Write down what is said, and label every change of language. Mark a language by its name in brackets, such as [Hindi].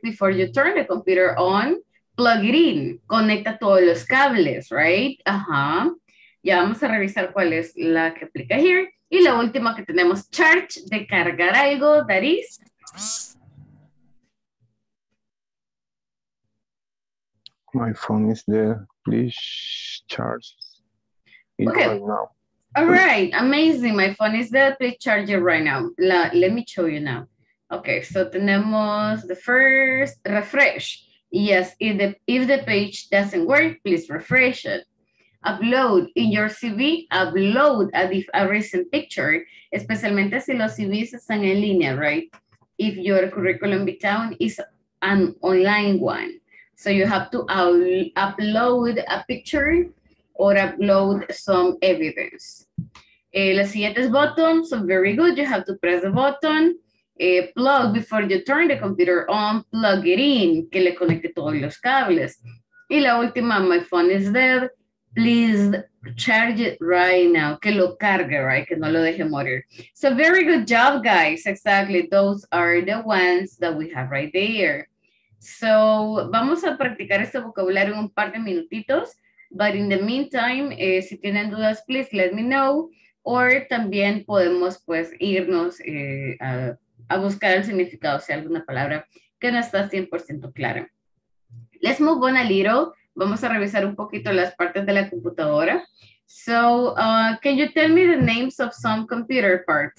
[English] Before you turn the computer on, plug it in. [Spanish] Conecta todos los cables, right? Ajá. Ya vamos a revisar cuál es la que aplica here. Y la última que tenemos, charge, de cargar algo, [English] that is... My phone is there. Please charge it okay. Right now. All right. Amazing. My phone is there. Please charge it right now. Let me show you now. Okay. So, tenemos the first refresh. Yes. If the page doesn't work, please refresh it. Upload in your CV. Upload a recent picture, [Spanish] especialmente si los CVs están en línea, right? [English] If your curriculum vitae is an online one. So you have to upload a picture or upload some evidence. [Spanish] La siguiente es [English] button, so very good. You have to press the button. plug before you turn the computer on, plug it in, [Spanish] que le conecte todos los cables. Y la última, [English] my phone is dead, please charge it right now, [Spanish] que lo cargue, right, que no lo deje morir. [English] So very good job, guys, exactly, those are the ones that we have right there. [Spanish] So vamos a practicar este vocabulario en un par de minutitos, [English] but in the meantime, [Spanish] si tienen dudas, [English] please let me know, [Spanish] or también podemos pues irnos a buscar el significado, si hay alguna palabra que no está 100% clara. [English] Let's move on a little. [Spanish] Vamos a revisar un poquito las partes de la computadora. [English] So, can you tell me the names of some computer parts?